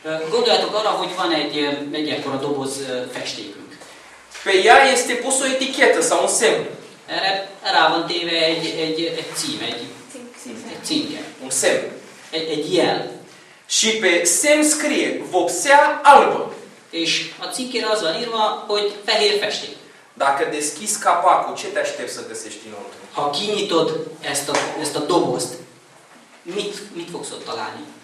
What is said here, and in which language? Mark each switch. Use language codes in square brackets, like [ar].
[hu] Gondoljatok arra, hogy van egy ekkora doboz festékünk. [ro] Pe ea este pus o etichetă sau un semn. [hu] Erre rá van téve egy cím, egy címje. [ro] Un semn. [hu] Egy jel. [ro] Și pe semn scrie vopsea albă. [hu] És a címkére az van írva, hogy fehér festék. [ro] Dacă deschizi capacul, ce te aștepți să găsești înăuntru? [hu] Ha kinyitod ezt a dobozt, mit fogsz ott találni?